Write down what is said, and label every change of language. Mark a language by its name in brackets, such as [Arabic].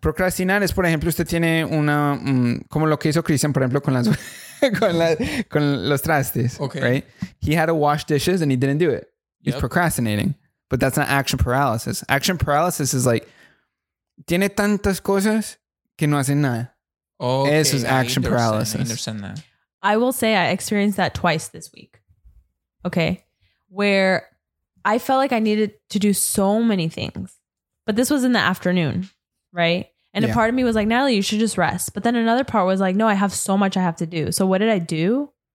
[Spanish] Procrastinar es, por ejemplo, usted tiene una, como lo que hizo Christian, por ejemplo, con los trastes, okay. [English] Right? He had to wash dishes and he didn't do it. Yep. He's procrastinating. But that's not action paralysis. [Spanish] Action paralysis is like, tiene tantas cosas que no hace nada. [English] Okay. [Spanish] Eso es action paralysis. [English] I understand that. I will say I experienced that twice this week. Okay. Where I felt like I needed to do so many things. But this was in the afternoon, right? And yeah. A part of me was like, Natalie, you should just rest. But then another part was like, no, I have so much I have to do. So what did I do?